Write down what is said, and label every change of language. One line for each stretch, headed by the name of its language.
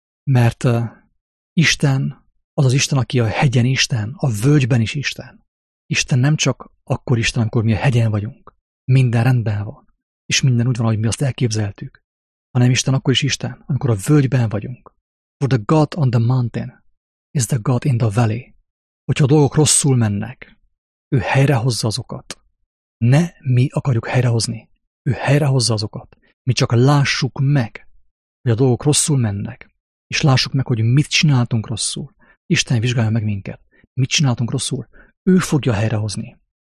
Hungarian: Mert Isten az az Isten, aki a hegyen Isten, a völgyben is Isten. Isten nem csak akkor Isten, amikor mi a hegyen vagyunk. Minden rendben van, és minden úgy van, ahogy mi azt elképzeltük. Hanem Isten akkor is Isten, amikor a völgyben vagyunk.
English: For the God on the mountain is the God in the valley.
Hungarian: Hogyha a dolgok rosszul mennek, ő helyrehozza azokat. Ne mi akarjuk helyrehozni, ő helyrehozza azokat. Mi csak lássuk meg, hogy a dolgok rosszul mennek, és lássuk meg, hogy mit csináltunk rosszul. Isten vizsgálja meg minket. Mit csináltunk rosszul? Ő fogja helyrehozni.